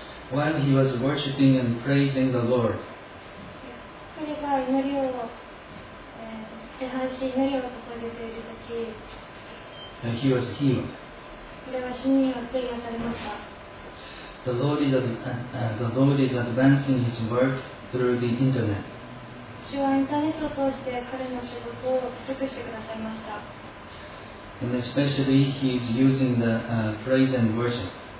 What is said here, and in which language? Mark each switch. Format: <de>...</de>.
<en>While he was worshiping and praising the Lord,</en> <ja>彼が祈りを、礼拝し祈りを捧げているとき、</ja> <en>He was healed.</en> <ja>彼は主によって癒されました。</ja> <en>The Lord is advancing His work through the internet.</en> <ja>主はインターネットを通して彼の仕事を加速してくださいました。</ja> <en>And especially He is using the praise and worship.</en>